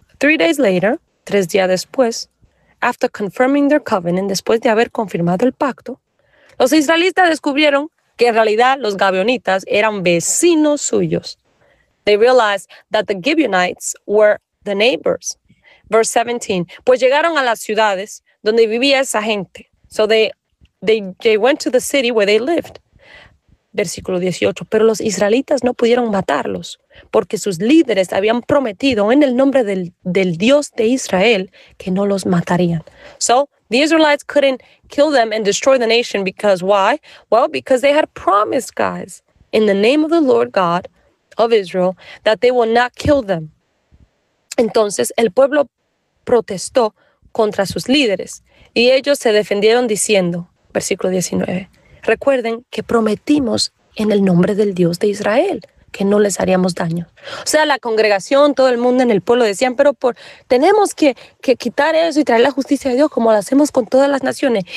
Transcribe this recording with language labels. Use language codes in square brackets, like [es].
[en] 3 days later, [es] 3 días después, [en] after confirming their covenant, [es] después de haber confirmado el pacto, los israelitas descubrieron que en realidad los gabionitas eran vecinos suyos. [en] They realized that the Gibeonites were the neighbors. Verse 17. [es] Pues llegaron a las ciudades donde vivía esa gente. [en] So they went to the city where they lived. [es] Versículo 18. Pero los israelitas no pudieron matarlos porque sus líderes habían prometido en el nombre del Dios de Israel que no los matarían. [en] So the Israelites couldn't kill them and destroy the nation because why? Well, because they had promised, guys, in the name of the Lord God of Israel, that they would not kill them. [es] Entonces el pueblo protestó contra sus líderes y ellos se defendieron diciendo, versículo 19, recuerden que prometimos en el nombre del Dios de Israel que no les haríamos daño. O sea, la congregación, todo el mundo en el pueblo decían, pero tenemos que quitar eso y traer la justicia de Dios como lo hacemos con todas las naciones.